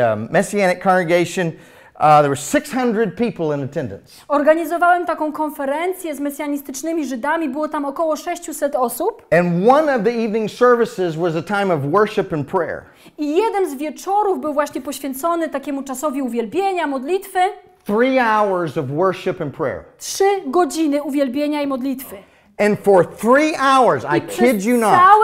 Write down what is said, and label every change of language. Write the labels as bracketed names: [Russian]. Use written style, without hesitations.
[English] Messianic congregation, there were 600 people in attendance. [Polish] Organizowałem taką konferencję z mesjanistycznymi Żydami, było tam około 600 osób. [English] And one of the evening services was a time of worship and prayer. [Polish] I jeden z wieczorów był właśnie poświęcony takiemu czasowi uwielbienia, modlitwy. [English] 3 hours of worship and prayer. [Polish] 3 godziny uwielbienia i modlitwy. [English] And for 3 hours, I kid you not.